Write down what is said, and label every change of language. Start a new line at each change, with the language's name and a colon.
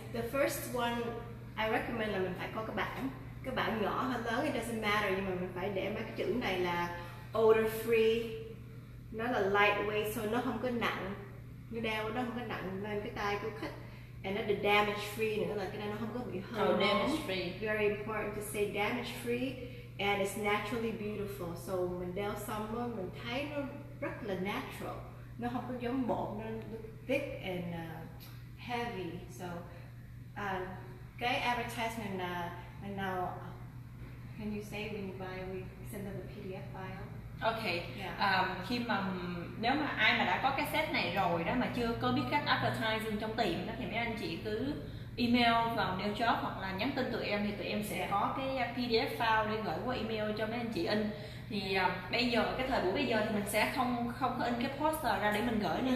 English: The first one I recommend
Vietnamese: là mình phải có cái bảng nhỏ hay lớn,
English: it doesn't matter,
Vietnamese: nhưng mà mình phải để mấy cái chữ này là
English: odor free,
Vietnamese: nó là lightweight, so nó không có nặng, nó đeo nó không có nặng lên cái tay của khách,
English: and
Vietnamese: nó
English: the damage free
Vietnamese: nữa, là cái này nó không có bị hở.
English: Oh, damage free. Very important to say damage free, and it's naturally beautiful.
Vietnamese: So mình đeo xong đó, mình thấy nó rất là natural, nó không có giống bột, nó
English: look thick and heavy. So cái advertisement là now can you say when you buy we send them a PDF file? Okay.
Vietnamese: Khi mà nếu mà ai mà đã có cái set này rồi đó mà chưa có biết cách advertising trong tiệm đó thì mấy anh chị cứ email vào New Job hoặc là nhắn tin tụi em thì tụi em sẽ có cái PDF file để gửi qua email cho mấy anh chị in. Thì bây giờ cái thời buổi bây giờ thì mình sẽ không không có in cái poster ra để mình gửi nữa.